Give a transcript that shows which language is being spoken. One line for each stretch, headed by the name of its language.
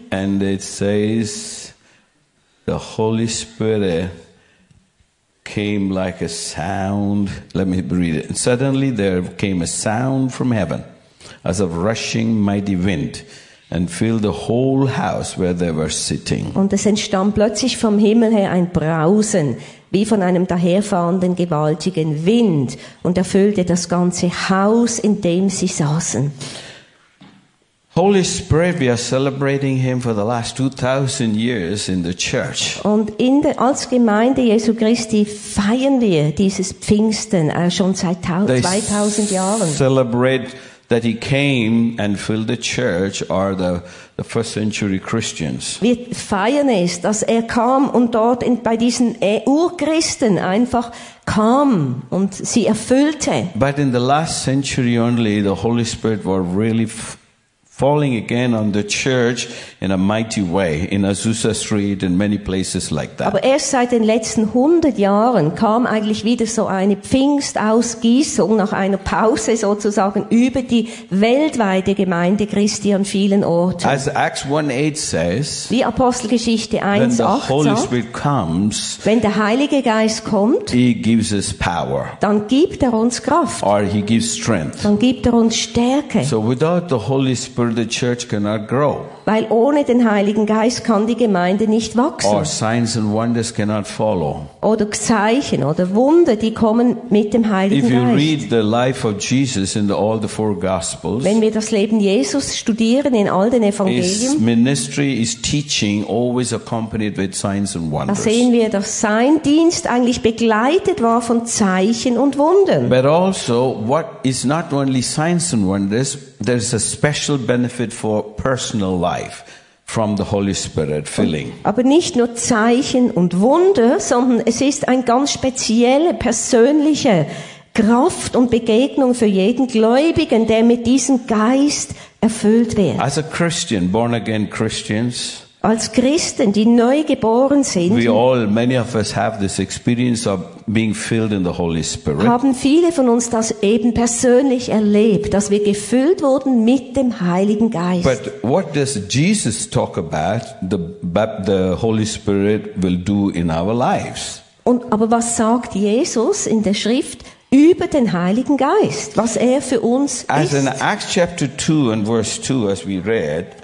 English: And it says, the Holy Spirit came like a sound. Let me read it. Suddenly there came a sound from heaven, as of rushing mighty wind, and filled the whole house where they were sitting.
German: Und es entstand plötzlich vom Himmel her ein Brausen, wie von einem daherfahrenden gewaltigen Wind, und erfüllte das ganze Haus, in dem sie saßen.
English: Holy Spirit, we are celebrating him for the last 2000 years in the church.
German: Und in der, als Gemeinde Jesu Christi feiern wir dieses Pfingsten schon seit 2000 Jahren.
English: Celebrate that he came and filled the church or the first century Christians.
German: Wir feiern es, dass er kam und dort bei diesen Urchristen einfach kam und sie erfüllte.
English: But in the last century only, the Holy Spirit was really falling again on the church in a mighty way, in Azusa Street, in many places like that.
German: Aber erst seit den letzten 100 Jahren kam eigentlich wieder so eine Pfingstausgießung nach einer Pause sozusagen über die weltweite Gemeinde Christi an vielen Orten.
English: As Acts 1:8 says,
German: wie Apostelgeschichte 1:8 sagt, wenn der Heilige Geist kommt,
English: he gives us power,
German: dann gibt er uns Kraft,
English: or he gives strength,
German: dann gibt er uns Stärke.
English: So without the Holy Spirit, the church cannot grow.
German: Weil ohne den Heiligen Geist kann die Gemeinde nicht wachsen.
English: Or signs and wonders cannot follow.
German: Oder Zeichen oder Wunder, die kommen mit dem Heiligen Geist.
English: If you read the life of Jesus in all the four Gospels,
German: wenn wir das Leben Jesus studieren in all den Evangelien,
English: his ministry is teaching always accompanied with signs and wonders.
German: Da sehen wir, dass sein Dienst eigentlich begleitet war von Zeichen und Wundern.
English: But also, what is not only signs and wonders, there is a special benefit for personal life from the Holy Spirit filling.
German: Aber nicht nur Zeichen und Wunder, sondern es ist ein ganz spezielle persönliche Kraft und Begegnung für jeden Gläubigen, der mit diesem Geist erfüllt wird.
English: As a Christian, born again Christians,
German: als Christen, die neu geboren sind,
English: we all, many of us have this experience of being filled in the Holy Spirit.
German: Haben viele von uns das eben persönlich erlebt, dass wir gefüllt wurden mit dem Heiligen Geist.
English: But what does Jesus talk about the Holy Spirit will do in our lives?
German: Und aber was sagt Jesus in der Schrift über den Heiligen Geist, was er für uns ist?
English: As in Acts chapter 2 and verse 2, as we read,